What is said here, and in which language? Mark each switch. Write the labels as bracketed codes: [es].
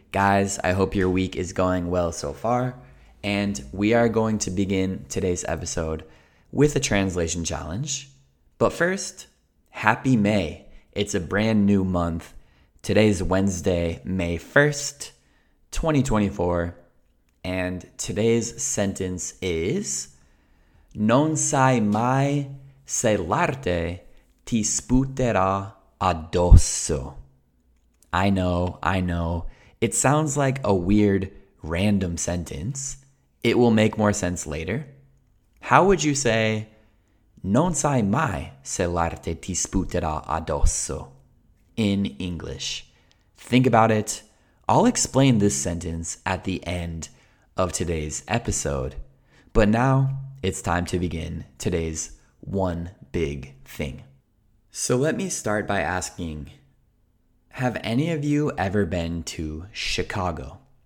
[en] Guys, I hope your week is going well so far, and we are going to begin today's episode with a translation challenge. But first, happy May. It's a brand new month. Today's Wednesday, May 1st, 2024. And today's sentence is, [it] Non sai mai se l'arte ti sputerà addosso. [en] I know. It sounds like a weird, random sentence. It will make more sense later. How would you say, [it] Non sai mai se l'arte ti sputerà addosso [en] in English? Think about it. I'll explain this sentence at the end of today's episode. But now it's time to begin today's one big thing. So let me start by asking, have any of you ever been to Chicago?